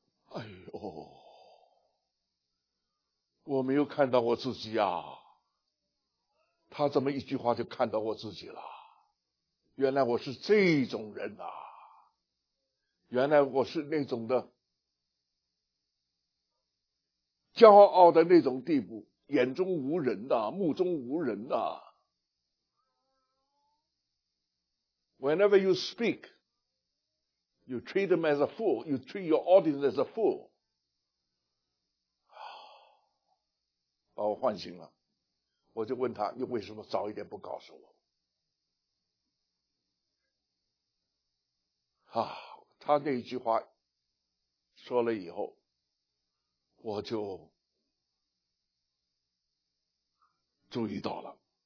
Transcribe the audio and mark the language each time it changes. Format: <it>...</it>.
<zh>哎呦，我没有看到我自己啊，他怎么一句话就看到我自己了？原来我是这种人啊，原来我是那种的骄傲的那种地步，眼中无人啊，目中无人啊。</zh> <en>Whenever you speak, you treat them as a fool, you treat your audience as a fool.</en> <zh>把我唤醒了，我就问他，你为什么早一点不告诉我啊？他那一句话说了以后，我就注意到了。</zh>